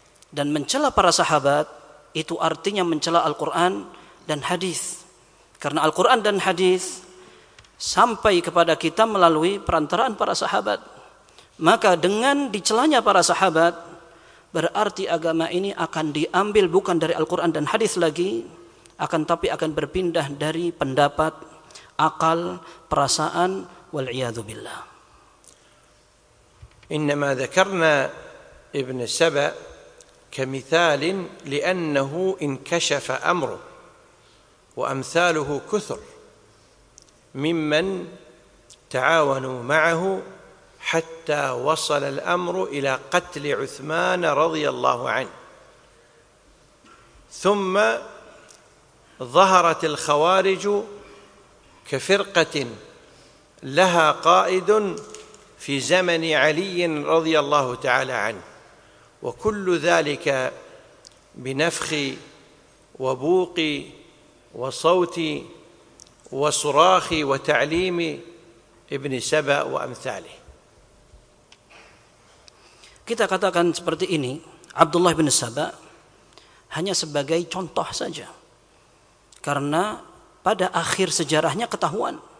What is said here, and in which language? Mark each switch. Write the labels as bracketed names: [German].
[Indonesian] Dan mencela para sahabat itu artinya mencela Al-Quran dan Hadis, karena Al-Quran dan Hadis sampai kepada kita melalui perantaraan para sahabat. Maka dengan dicelanya para sahabat, berarti agama ini akan diambil bukan dari Al-Quran dan Hadis lagi, akan tapi akan berpindah dari pendapat, akal, perasaan, wal'iyadu billah. [Arabic] Innama dhakarna Ibn Saba كمثال لأنه انكشف أمره، وأمثاله كثر ممن تعاونوا معه حتى وصل الأمر إلى قتل عثمان رضي الله عنه. ثم ظهرت الخوارج كفرقة لها قائد في زمن علي رضي الله تعالى عنه، وكل ذلك بنفخ وبوق وصوت وصراخ وتعليم ابن سبا وامثاله. [Indonesian] Kita katakan seperti ini, Abdullah bin Saba hanya sebagai contoh saja, karena pada akhir sejarahnya ketahuan.